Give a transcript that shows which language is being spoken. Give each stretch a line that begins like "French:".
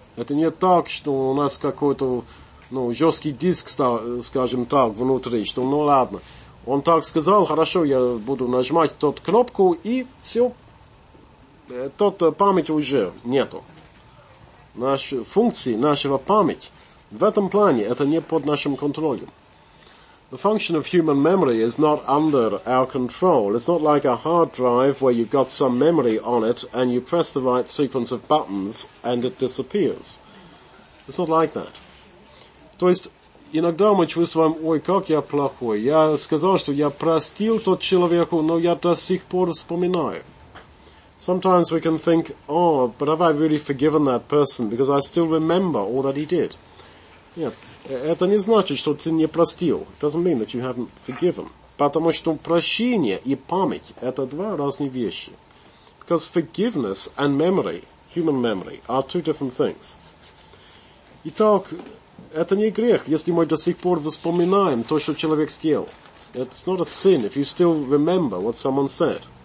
Russian: Это не так, что у нас какой-то, ну, жесткий диск, скажем так, внутри, что, ну, ладно. Он так сказал, хорошо, я буду нажимать тот кнопку, и все, тот память уже нету. Функции нашего памяти в этом плане, это не под нашим контролем.
English: The function of human memory is not under our control. It's not like a hard drive where you've got some memory on it, and you press the right sequence of buttons, and it disappears. It's not like that.
Russian: То есть, иногда мы чувствуем, ой, как я плохой. Я сказал, что я простил тот человеку, но я до сих пор вспоминаю.
English: Sometimes we can think, oh, but have I really forgiven that person? Because I still remember all that he did.
Russian: Нет, это не значит, что ты не простил.
English: It doesn't mean that you haven't forgiven.
Russian: Потому что прощение и память – это два разные вещи.
English: Because forgiveness and memory, human memory, are two different things.
Russian: Итак, это не грех, если мы до сих пор вспоминаем то, что человек сделал.
English: It's not a sin if you still remember what someone said.